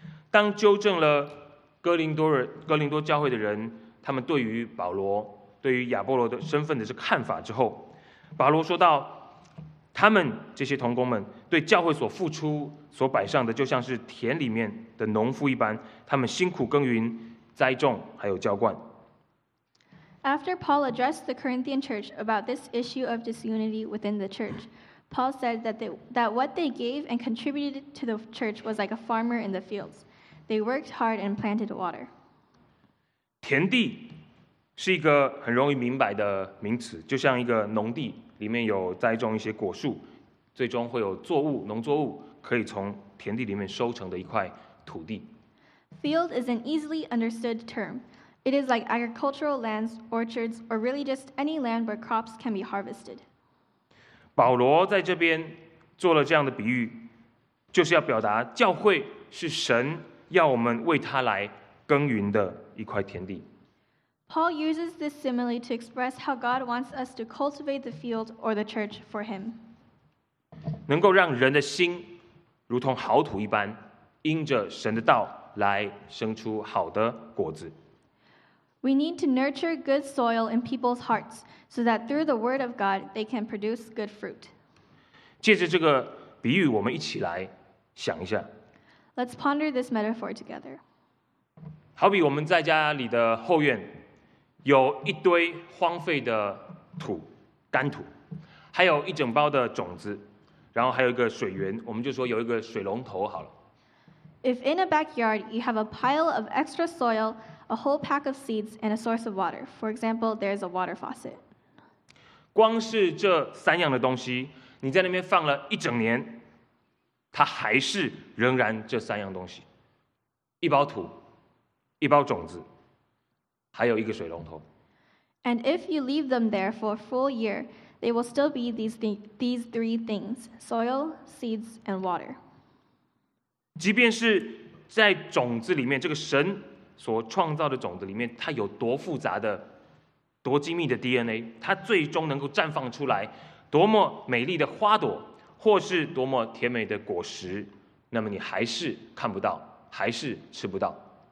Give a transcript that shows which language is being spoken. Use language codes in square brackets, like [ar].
[zh] 当纠正了哥林多教会的人他们对于保罗、对于亚波罗的身份的这看法之后，保罗说到，他们这些同工们对教会所付出、所摆上的，就像是田里面的农夫一般，他们辛苦耕耘、栽种，还有浇灌。 [en] After Paul addressed the Corinthian church about this issue of disunity within the church, Paul said that what they gave and contributed to the church was like a farmer in the fields. They worked hard and planted water. [zh] 田地是一个很容易明白的名词，就像一个农地里面有栽种一些果树，最终会有作物，农作物可以从田地里面收成的一块土地。 [en] Field is an easily understood term. It is like agricultural lands, orchards, or really just any land where crops can be harvested. [zh] 保罗在这边做了这样的比喻，就是要表达教会是神要我们为他来耕耘的一块田地。 [en] Paul uses this simile to express how God wants us to cultivate the field or the church for Him. [zh] 能够让人的心如同好土一般因着神的道来生出好的果子。 [en] We need to nurture good soil in people's hearts so that through the word of God, they can produce good fruit. [zh] 借着这个比喻，我们一起来想一下。 [en] Let's ponder this metaphor together. [zh] 好比我们在家里的后院有一堆荒废的土，干土，还有一整包的种子，然后还有一个水源，我们就说有一个水龙头好了。 [en] If in a backyard you have a pile of extra soil, a whole pack of seeds, and a source of water, for example, there's a water faucet. [zh] 光是这三样的东西，你在那边放了一整年，它还是仍然这三样东西：一包土，一包种子，还有一个水龙头。 [en] And if you leave them there for a full year, they will still be these three things: soil, seeds, and water. [zh] 即便是在种子里面，这个神所创造的种子里面，它有多复杂的、多精密的 DNA， 它最终能够绽放出来多么美丽的花朵，或是多么甜美的果实，那么你还是看不到，还是吃不到。